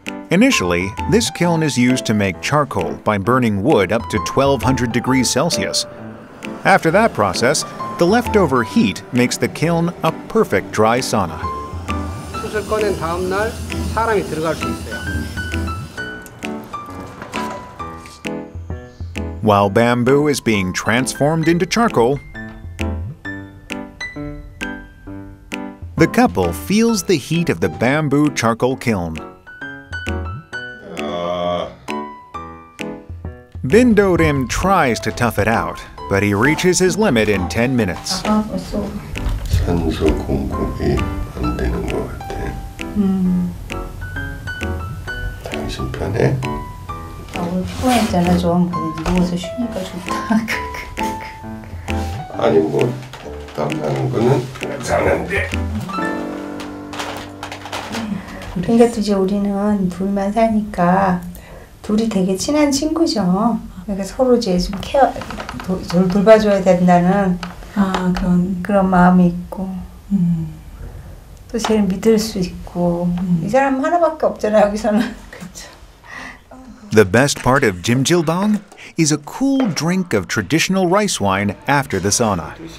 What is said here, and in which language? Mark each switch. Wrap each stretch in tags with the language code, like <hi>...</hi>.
<en>Initially, this kiln is used to make charcoal by burning wood up to 1200 degrees Celsius. After that process, the leftover heat makes the kiln a perfect dry sauna.</en> <ko>숯을 꺼낸 다음 날 사람이 들어갈 수 있어요.</ko> <en>While bamboo is being transformed into charcoal, the couple feels the heat of the bamboo charcoal kiln. Bin Do-rim tries to tough it out, but he reaches his limit in 10 minutes.</en> <ko>산소 공급이 안 되는 것 같아. 당신 편에. 오늘 피곤했잖아 좀. 근데 누워서 쉬니까 좋다. 아니 뭐 땀나는 거는 괜찮은데. 그러니까 또 이제 우리는 둘만 사니까 둘이 되게 친한 친구죠. 그러니까 서로 이제 좀 케어, 저를 돌봐줘야 된다는 아 그런 그런 마음이 있고 또 쟤는 믿을 수 있고 이 사람 하나밖에 없잖아 여기서는. 그렇죠.</ko> <en>The best part of Jjimjilbang is a cool drink of traditional rice wine after the sauna.</en>